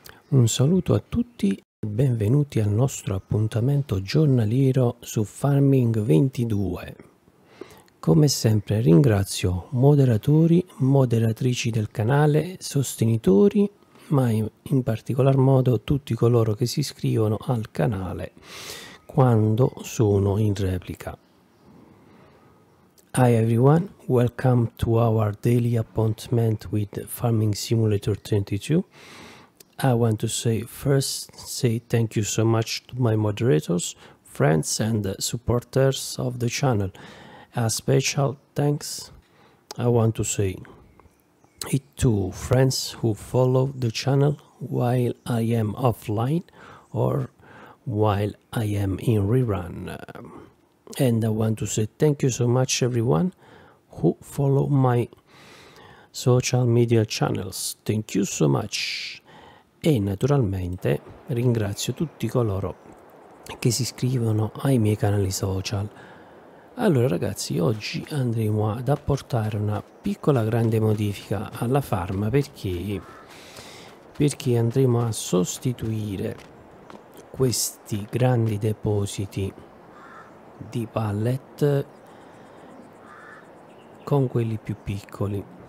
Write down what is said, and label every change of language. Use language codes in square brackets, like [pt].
[it] Un saluto a tutti e benvenuti al nostro appuntamento giornaliero su Farming 22. Come sempre ringrazio moderatori, moderatrici del canale, sostenitori, ma in particolar modo tutti coloro che si iscrivono al canale quando sono in replica. [en] Hi everyone, welcome to our daily appointment with Farming Simulator 22. I want to first say thank you so much to my moderators, friends and supporters of the channel. A special thanks I want to say it to friends who follow the channel while I am offline or while I am in rerun. And I want to say thank you so much everyone who follow my social media channels. Thank you so much. [it] E naturalmente ringrazio tutti coloro che si iscrivono ai miei canali social. Allora ragazzi, oggi andremo ad apportare una piccola grande modifica alla farm perché andremo a sostituire questi grandi depositi di pallet con quelli più piccoli.